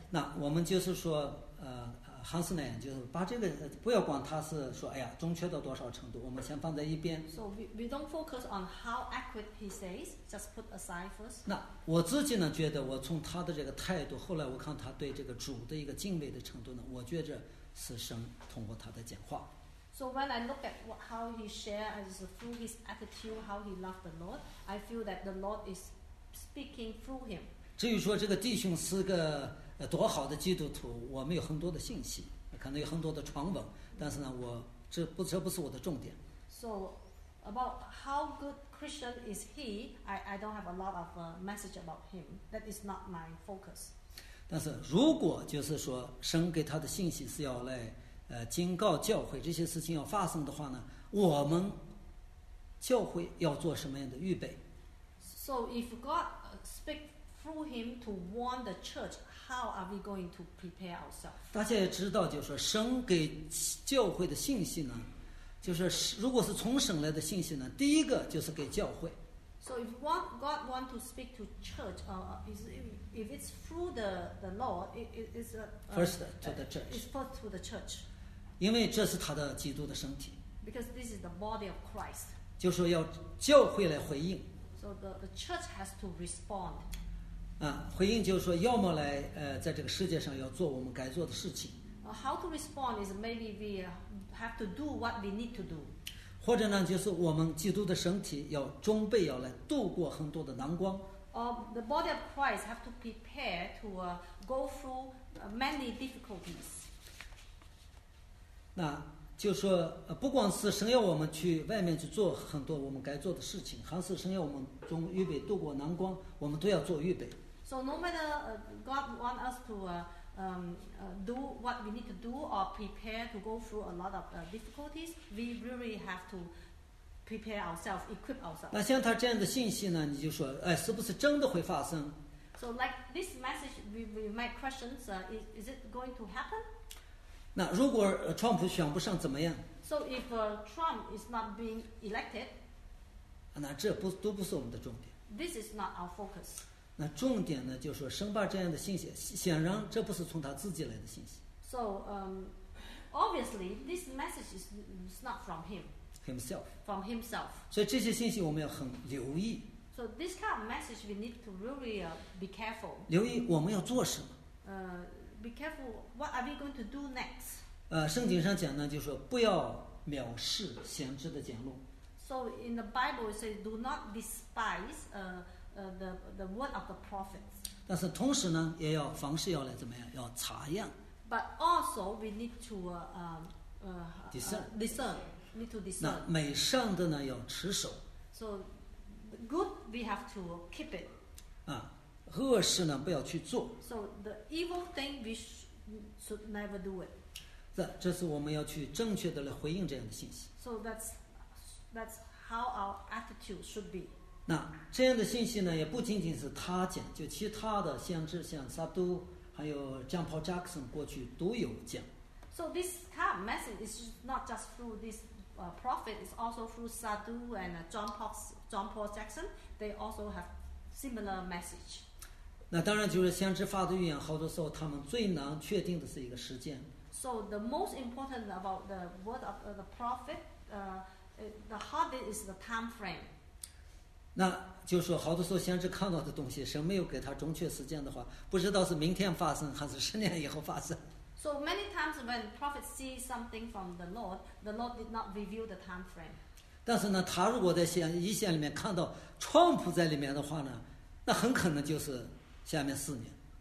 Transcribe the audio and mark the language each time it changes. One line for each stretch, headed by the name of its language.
Chinese: 那我们就是说，汉斯呢，就是把这个不要管，他是说，哎呀，准确到多少程度，我们先放在一边。
English: So we don't focus on how accurate he says, just put aside first.
Chinese: 那我自己呢，觉得我从他的这个态度，后来我看他对这个主的一个敬畏的程度呢，我觉着是神通过他的讲话。
English: So when I look at how he shared through his attitude, how he loved the Lord, I feel that the Lord is speaking through him.
Chinese: 至于说这个弟兄是个多好的基督徒，我们有很多的信息，可能有很多的传闻，但是呢，这不是我的重点。
English: So about how good Christian is he, I don't have a lot of message about him. That is not my focus.
Chinese: 但是如果就是说神给他的信息是要来警告教会这些事情要发生的话呢，我们教会要做什么样的预备？
English: So if God speak through him to warn the church. How are we going to prepare ourselves?
Chinese: 大家也知道，就是神给教会的信息呢，就是如果是从神来的信息呢，第一个就是给教会。
English: So if God want to speak to church, if it's through the law, it's first to the church. It's first to the church.
Chinese: 因为这是他的基督的身体。
English: Because this is the body of Christ.
Chinese: 就是要教会来回应。
English: So the church has to respond.
Chinese: 回应就是说，要么来在这个世界上要做我们该做的事情。
English: How to respond is maybe we have to do what we need to do.
Chinese: 或者呢，就是我们基督的身体要装备，要来度过很多的难关。
English: The body of Christ have to prepare to go through many difficulties.
Chinese: 那就说，不光是神要我们去外面去做很多我们该做的事情，还是神要我们中预备度过难关，我们都要做预备。
English: So no matter God want us to do what we need to do or prepare to go through a lot of difficulties, we really have to prepare ourselves, equip ourselves.
Chinese: 那像他这样的信息呢，你就说，哎，是不是真的会发生？
English: So like this message, we might question, is it going to happen?
Chinese: 那如果川普选不上怎么样？
English: So if Trump is not being elected,
Chinese: 那这不都不是我们的重点。
English: This is not our focus.
Chinese: 那重点呢，就是说生怕这样的信息，显然这不是从他自己来的信息。
English: So, obviously, this message is not from him. Himself. From himself.
Chinese: 所以这些信息我们要很留意。
English: So this kind of message we need to really be careful.
Chinese: 留意我们要做什么。
English: Be careful. What are we going to do next?
Chinese: 圣经上讲呢，就是说不要藐视先知的讲论。
English: So in the Bible it says, do not despise. The word of the prophets.
Chinese: 但是同时呢，也要凡事要来怎么样？要查验。
English: But also we need to discern. Need to discern. 那
Chinese: 美善的呢，要持守。
English: So good we have to keep it.
Chinese: 恶事呢，不要去做。
English: So the evil thing we should never do it.
Chinese: 这是我们要去正确的来回应这样的信息。
English: So that's how our attitude should be.
Chinese: 那这样的信息呢，也不仅仅是他讲，就其他的先知像萨都还有 John Paul Jackson 过去都有讲。
English: So this kind of message is not just through this prophet, it's also through Sadhu and John Paul Jackson. They also have similar message.
Chinese: 那当然就是先知发的预言，好多时候他们最难确定的是一个时间。
English: So the most important about the word of the prophet, the hardest is the time frame.
Chinese: 那就是说好多时候先知看到的东西，神没有给他准确时间的话，不知道是明天发生还是十年以后发生。
English: So many times when prophets see something from the Lord did not reveal the time frame.
Chinese: 但是呢，他如果在一线里面看到川普在里面的话呢，那很可能就是下面四年。